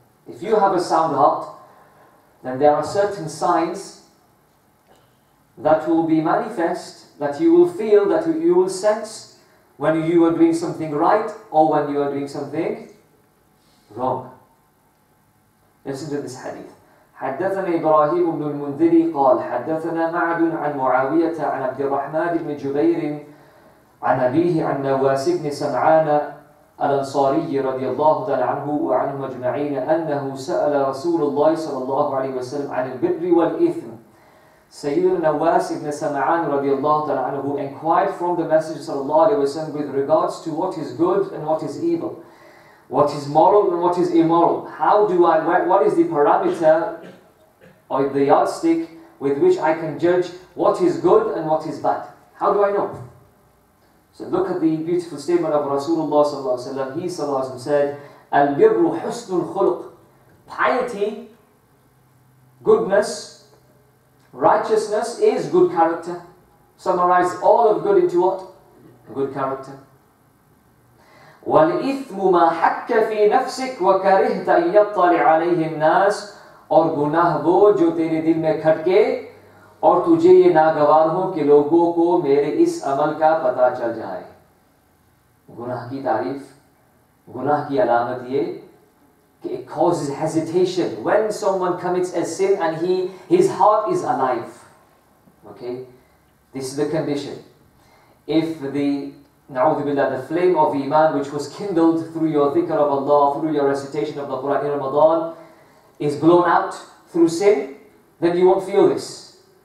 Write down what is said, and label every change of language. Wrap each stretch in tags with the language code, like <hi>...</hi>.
<en>If you have a sound heart, then there are certain signs that will be manifest, that you will feel, that you will sense when you are doing something right or when you are doing something wrong. Listen to this hadith.</en> <ar>حدثنا إبراهيم بن المنذر قال حدثنا معد عن معاوية عن عبد الرحمن بن جبير عن أبيه عن نواس بن سمعان الأنصاري رضي الله تعالى عنه وعنهم أجمعين أنه سأل رسول الله صلى الله عليه وسلم عن البر والإثم.</ar> <en>سيدنا نواس بن سمعان رضي الله تعالى عنه inquired from the Messenger صلى الله عليه وسلم with regards to what is good and what is evil. What is moral and what is immoral? What is the parameter or the yardstick with which I can judge what is good and what is bad? How do I know? So look at the beautiful statement of Rasulullah sallallahu alaihi wasallam. He sallallahu alaihi wasallam said,</en> <ar>"Al-birru husnul khuluq."</ar> <en>Piety, goodness, righteousness is good character. Summarize all of good into what? Good character.</en> <ar>وَالْإِثْمُ مَا حَكَّ فِي نَفْسِكَ وَكَرِهْتَ أَنْ يَطَّلِ عَلَيْهِ النَّاسِ.</ar> <ur>اور گناہ وہ جو تیرے دل میں کھٹ کے اور تجھے یہ ناگوار ہو کہ لوگوں کو میرے اس عمل کا پتہ چل جائے. گناہ کی تعریف, گناہ کی علامت یہ کہ</ur> <en>it causes hesitation when someone commits a sin and his heart is alive. Okay, this is the condition. If the Na'udhu Billah, the flame of Iman which was kindled through your dhikr of Allah, through your recitation of the Quran in Ramadan, is blown out through sin, then you won't feel this.</en>